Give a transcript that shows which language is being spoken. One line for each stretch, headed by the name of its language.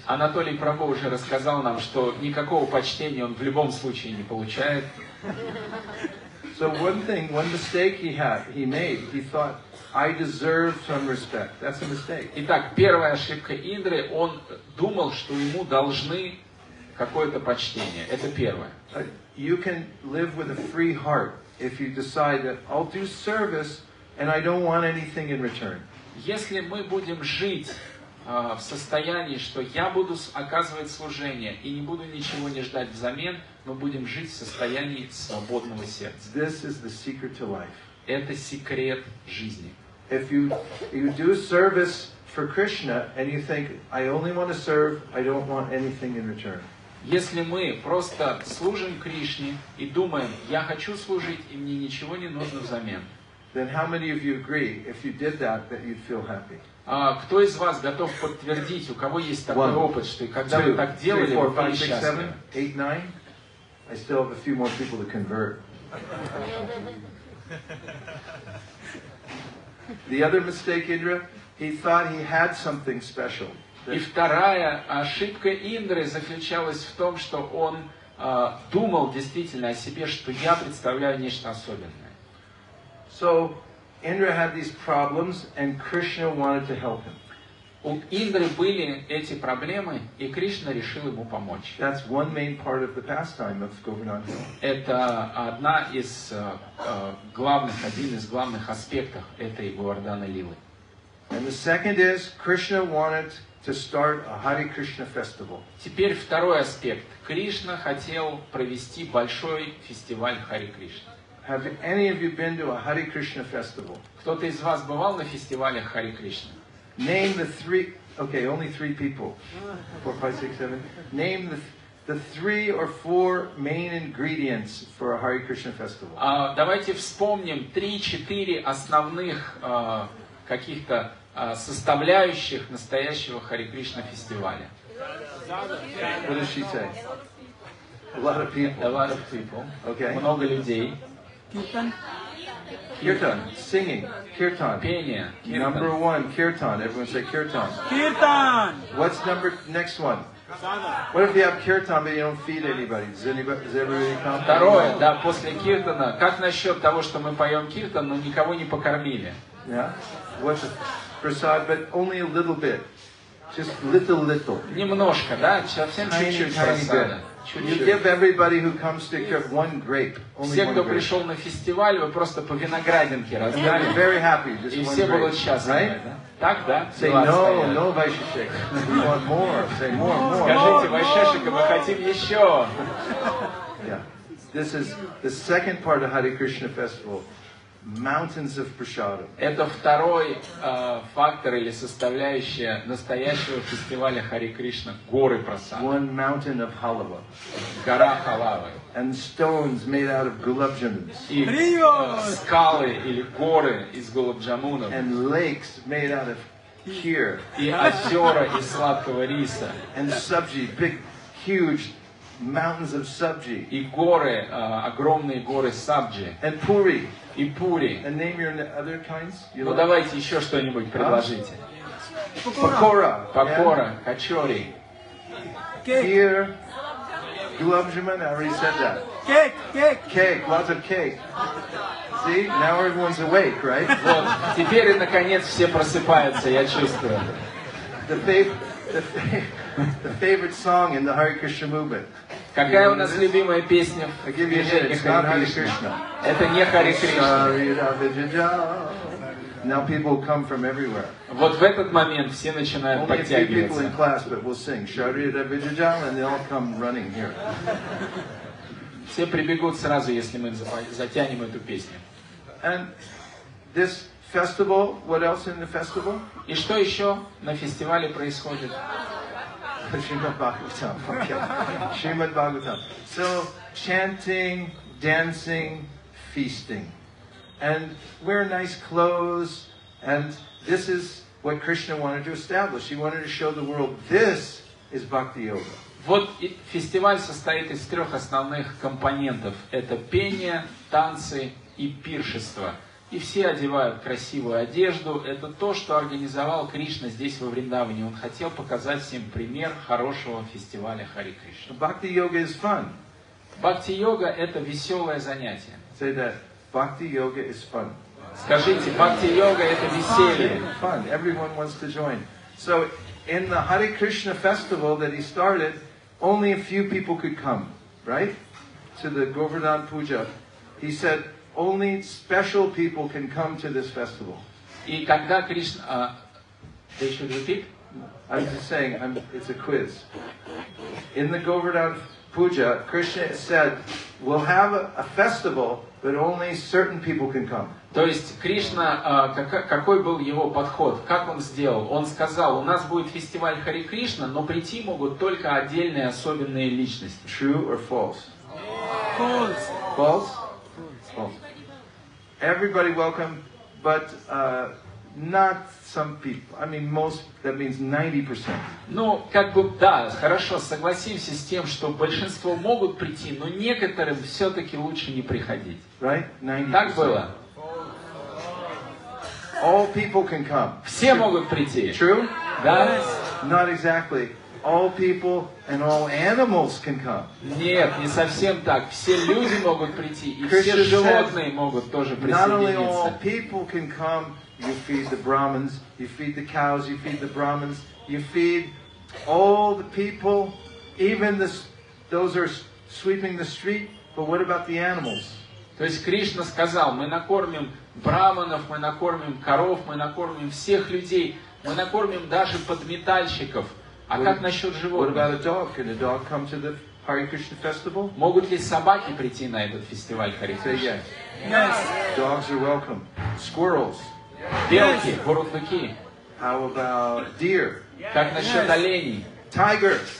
Russian: Анатолий Прабху уже рассказал нам, что никакого почтения он в любом случае не получает.
English: So one thing, one mistake he made, he thought, I deserve some respect. That's a mistake.
Russian: Итак, первая ошибка Индры, он думал, что ему должны какое-то почтение. Это первое.
English: You can live with a free heart if you decide that I'll do service and I don't want anything in return.
Russian: Если мы будем жить в состоянии, что я буду оказывать служение и не буду ничего не ждать взамен, мы будем жить в состоянии свободного сердца.
English: This is the secret to life.
Russian: Это секрет жизни.
English: If you do service for Krishna and you think I only want to serve, I don't want anything in return.
Russian: Если мы просто служим Кришне и думаем, я хочу служить и мне ничего не нужно взамен.
English: Then how many of you agree if you did that you'd feel happy?
Russian: Кто из вас готов подтвердить, у кого есть такой
English: One,
Russian: опыт, что когда
English: two,
Russian: вы так делали,
English: three, four, five,
Russian: вы были
English: six, seven, eight, nine. I still have a few more people to convert. The other mistake, Indra, he thought he had something special.
Russian: И вторая ошибка Индры заключалась в том, что он думал действительно о себе, что я представляю нечто особенное.
English: So Indra had these problems, and Krishna wanted to help him.
Russian: У Индры были эти проблемы, и Кришна решил ему помочь.
English: That's one main part of the pastime of Govardhana.
Russian: Это одна из главных, один из главных аспектов этой Говардхана Лилы.
English: And the second is Krishna wanted to start a Hare Krishna festival.
Russian: Теперь второй аспект. Кришна хотел провести большой фестиваль Хари Кришна.
English: Have any of you been to a Hare Krishna festival?
Russian: Кто-то из вас бывал на фестивале Хари Кришна?
English: Name the three. Okay, only three people. 4, 5, 6, 7. Name the three or four main ingredients for a Hare Krishna festival.
Russian: Давайте вспомним 3-4 основных каких-то составляющих настоящего Хари Кришна фестиваля.
English: What does she say? A lot of people. A lot of people. Okay.
Russian: Много людей.
English: Kirtan, singing, kirtan.
Russian: Пение.
English: Kirtan. Number one, kirtan. Everyone say kirtan. Kirtan. What's number next one? Prasada. What if you have kirtan but you don't feed anybody? Does everybody count?
Russian: Второе, да, после киртана. Как насчет того, что мы поем киртан, но никого не покормили?
English: Yeah. What's prasad, but only a little bit. Just little.
Russian: Немножко, да, совсем чуть-чуть прасада.
English: You give everybody who comes to Kirtan one grape. Only
Russian: все,
English: one
Russian: кто
English: grape.
Russian: Пришел на фестиваль, вы просто по виноградинке раздали.
English: And they're very happy. Just
Russian: и
English: one
Russian: все
English: grape.
Russian: Будут счастливы,
English: right?
Russian: Да? Так, да?
English: Say no,
Russian: стоят.
English: No, Vaisheshika. We want more. Say more.
Russian: Скажите, Vaisheshika, мы хотим еще.
English: Yeah. This is the second part of Hare Krishna festival. Mountains of prasadam.
Russian: Это второй фактор или составляющая настоящего фестиваля Хари Кришна. Горы прасад.
English: One mountain of halava.
Russian: Гора халавы.
English: And stones made out of gulab jamuns.
Russian: И скалы или горы из гулаб джамунов.
English: And lakes made out of kheer.
Russian: И озера из сладкого риса.
English: And sabji, big, huge. Mountains of sabji.
Russian: И горы, огромные горы сабджи.
English: And puri.
Russian: И пури.
English: And name your other kinds.
Russian: Ну
English: like?
Russian: Давайте еще что-нибудь предложите. Покора. Покора, качори.
English: Кейр. Gulab jamun, I already said that. Cake, lots of cake. See, now everyone's awake, right?
Russian: Вот, теперь и наконец все просыпаются, я чувствую.
English: The favorite song in the Hare Krishna movement.
Russian: Какая у нас любимая песня в движении Hare Krishna? Это не Hare Krishna.
English: Now people come from everywhere.
Russian: Вот в этот момент все начинают подтягиваться.
English: Only a few people in class, but we'll sing Sharira Vijaya, and they all come running here.
Russian: Все прибегут сразу, если мы затянем эту песню.
English: And this festival, what else in the festival?
Russian: И что еще на фестивале происходит?
English: Shrimad Bhagavatam. So chanting, dancing, feasting. And wear nice clothes. And this is what Krishna wanted to establish. He wanted to show the world this is Bhakti Yoga.
Russian: Вот фестиваль состоит из трех основных компонентов. Это пение, танцы и пиршество. И все одевают красивую одежду. Это то, что организовал Кришна здесь во Вриндаване. Он хотел показать всем пример хорошего фестиваля Хари Кришна.
English: Bhakti Yoga is fun.
Russian: Bhakti Yoga – это веселое занятие.
English: Say that. Bhakti Yoga is fun.
Russian: Скажите, Bhakti Yoga – это веселье.
English: Fun. Everyone wants to join. So, in the Hare Krishna festival that he started, only a few people could come, right? To the Govardhan Puja. He said, only special people can come to this festival.
Russian: И когда Кришна,
English: they should repeat. I'm just saying, it's a quiz. In the Govardhan Puja, Krishna said, we'll have a festival, but only certain people can come.
Russian: То есть Кришна, какой был его подход, как он сделал? Он сказал, у нас будет фестиваль Хари Кришна, но прийти могут только отдельные особенные личности.
English: True or false? False. False. Well, everybody welcome, but not some people. I mean, most. That means 90%.
Russian: Ну, как бы да, хорошо, согласимся с тем, что большинство могут прийти, но некоторым все-таки лучше не приходить.
English: Right?
Russian: 90%. Так было.
English: All people can come.
Russian: Все могут прийти.
English: True?
Russian: Да.
English: Not exactly. All people and all animals can come.
Russian: Нет, не совсем так. Все люди могут прийти, и все животные могут тоже присоединиться.
English: Not only all people can come, you feed the Brahmins, you feed the cows, you feed the Brahmins, you feed all the people, even those are sweeping the street, but what about the animals?
Russian: То есть Кришна сказал, мы накормим брахманов, мы накормим коров, мы накормим всех людей, мы накормим даже подметальщиков. А как насчет животных?
English: What about a dog? Can a dog come to the Hare Krishna festival?
Russian: Могут ли собаки прийти на этот фестиваль Hare Krishna?
English: Say yes. Yes. Dogs are welcome. Squirrels.
Russian: Белки, бурундуки.
English: How about deer?
Russian: Как насчет оленей?
English: Tiger.